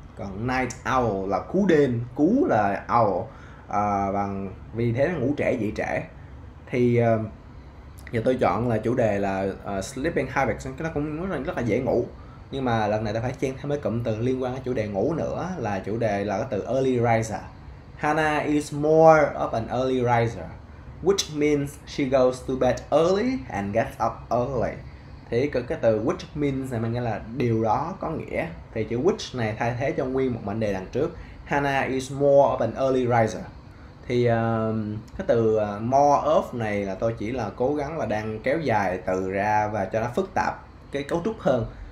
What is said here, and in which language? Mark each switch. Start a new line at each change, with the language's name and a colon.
Vietnamese: Còn night owl là cú đêm, cú là owl, bằng vì thế nó ngủ trễ dậy trễ. Thì Giờ tôi chọn là chủ đề là sleeping habits, cái nó cũng rất là dễ ngủ. Nhưng mà lần này ta phải chen thêm mấy cụm từ liên quan đến chủ đề ngủ nữa, là chủ đề là cái từ early riser.
English: Hannah is more of an early riser, which means she goes to bed early and gets up early.
Vietnamese: Thì cái từ which means này mình nghĩa là điều đó có nghĩa. Thì chữ which này thay thế cho nguyên một mệnh đề đằng trước:
English: Hannah is more of an early riser.
Vietnamese: Thì cái từ more of này là tôi chỉ là cố gắng là đang kéo dài từ ra và cho nó phức tạp cái cấu trúc hơn.